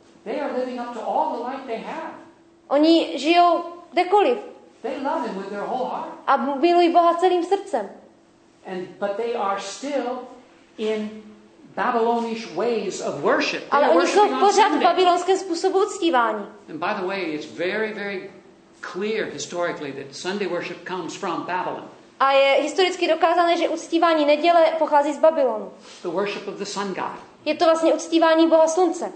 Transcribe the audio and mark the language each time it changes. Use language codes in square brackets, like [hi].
[en] They are living up to all the life they have. [cs] Oni žijou kdekoliv. [en] They love him with their whole heart. [cs] A milují Boha celým srdcem. [en] But they are still in Babylonish ways of worship. [cs] Ale oni jsou pořád v babylonském způsobu uctívání. [en] And by the way, it's very, very clear historically that Sunday worship comes from Babylon. [cs] A je historicky dokázané, že uctívání neděle pochází z Babylonu. [en] The worship of the sun god. [cs] Je to vlastně uctívání Boha slunce.